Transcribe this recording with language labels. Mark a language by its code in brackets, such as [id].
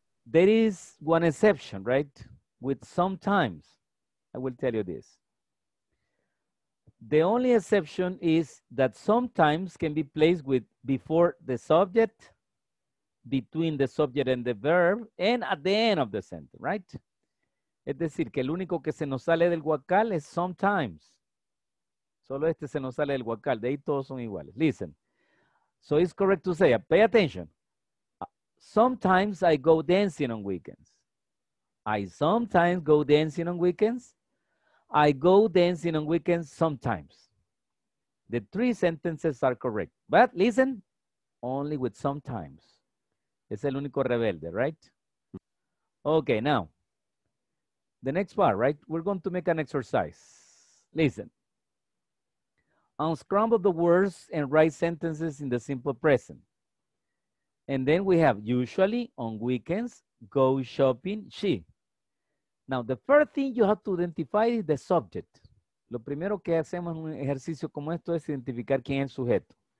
[en] There is one exception, right? With sometimes. I will tell you this. The only exception is that sometimes can be placed with before the subject, between the subject and the verb, and at the end of the sentence, right? [es] Es decir, que el único que se nos sale del guacal es sometimes. Solo este se nos sale del guacal. De ahí todos son iguales. [en] Listen. So it's correct to say, pay attention. Sometimes I go dancing on weekends. I sometimes go dancing on weekends. I go dancing on weekends sometimes. The three sentences are correct. But listen, only with sometimes. [es] Es el único rebelde, [en] right? Okay, now. The next part, right? We're going to make an exercise. Listen. Unscramble the words and write sentences in the simple present. And then we have usually on weekends, go shopping, she. Now, the first thing you have to identify is the subject. [es] Lo primero que hacemos en un ejercicio como esto es identificar quién es el sujeto.